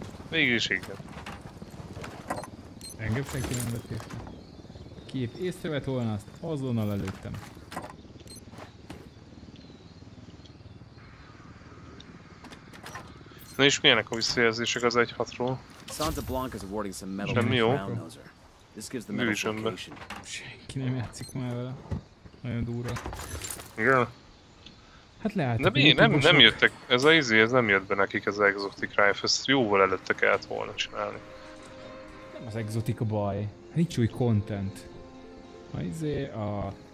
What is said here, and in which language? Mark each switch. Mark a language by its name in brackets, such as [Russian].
[Hungarian] Végülis igen. Engem senki nem vett észre. Ki épp észrevett volna, azt azonnal előttem. Na és milyenek a visszajelzések az 1-6-ról? [English] Santa Blanca is awarding some medal to the groundnoser. This gives the medal location. [Hungarian] Senki nem játszik már vele. Nagyon durva. Igen. Hát leállt. De mi? Nem jöttek. Ez a izé, ez nem jött be nekik az Exotic Rife. Ezt jóval előtte kellett volna csinálni. Nem az Exotic a baj. Nincs új content. A izé a...